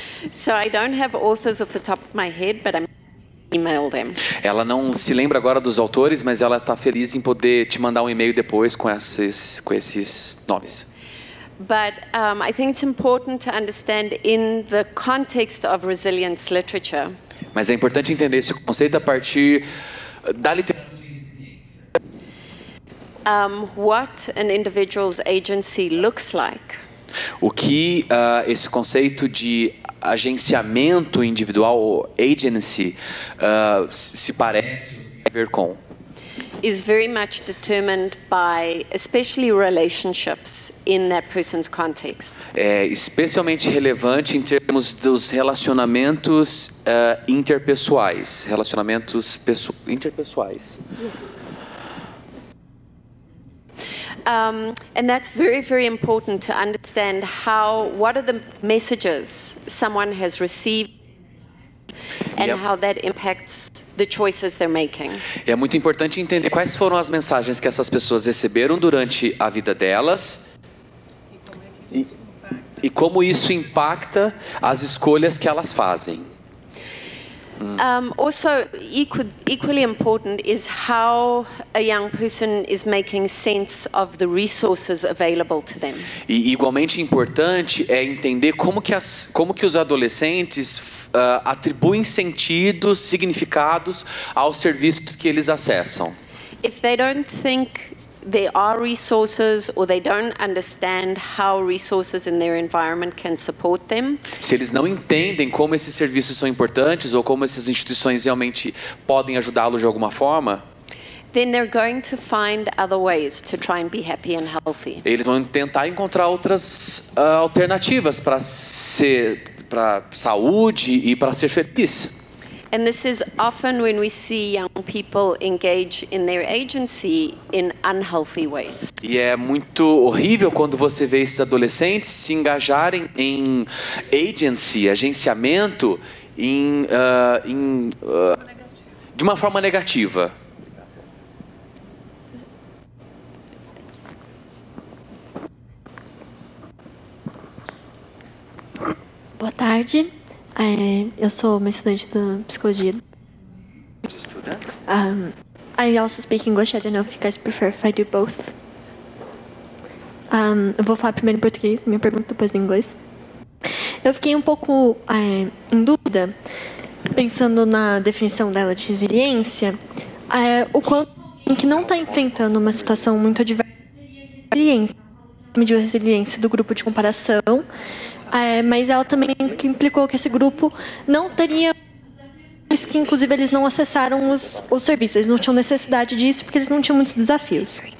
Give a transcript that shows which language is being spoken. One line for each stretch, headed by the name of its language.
English: So I don't have authors off the top of my head, but I'm email them.
Portuguese: Ela não se lembra agora dos autores, mas ela está feliz em poder te mandar um e-mail depois com esses nomes.
English: But I think it's important to understand in the context of resilience literature.
Portuguese: Mas é importante entender esse conceito a partir da literatura.
English: What an individual's agency looks like.
Portuguese: O que esse conceito de agenciamento individual, ou agency, se parece ver com?
English: Is very much determined by, especially relationships in that person's context.
Portuguese: É especialmente relevante em termos dos relacionamentos interpessoais, relacionamentos interpessoais.
English: And that's very, very important to understand how, what are the messages someone has received and how that impacts the choices they're making.
Portuguese: É muito importante entender quais foram as mensagens que essas pessoas receberam durante a vida delas e como isso impacta as escolhas que elas fazem.
English: Also, equally important is how a young person is making sense of the resources available to them.
Portuguese: E igualmente importante é entender como que os adolescentes atribuem sentidos, significados aos serviços que eles acessam.
English: If they don't think there are resources, or they don't understand how resources in their environment can support them.
Portuguese: Se eles não entendem como esses serviços são importantes ou como essas instituições realmente podem ajudá-los de alguma forma,
English: then they're going to find other ways to try and be happy and healthy.
Portuguese: Eles vão tentar encontrar outras alternativas para saúde e para ser feliz.
English: And this is often when we see young people engage in their agency in unhealthy ways.
Portuguese: E é muito horrível quando você vê esses adolescentes se engajarem em agency, agenciamento, de uma forma negativa. Boa tarde. Eu sou uma estudante da psicologia.
English: I also speak English. I don't know if you guys prefer if I do both.
Portuguese: Eu vou falar primeiro em português, minha pergunta depois em inglês. Eu fiquei um pouco em dúvida, pensando na definição dela de resiliência, o quanto alguém que não está enfrentando uma situação muito adversa, mediu a resiliência do grupo de comparação, mas ela também implicou que esse grupo não teria, isso que inclusive eles não acessaram os serviços, eles não tinham necessidade disso porque eles não tinham muitos desafios.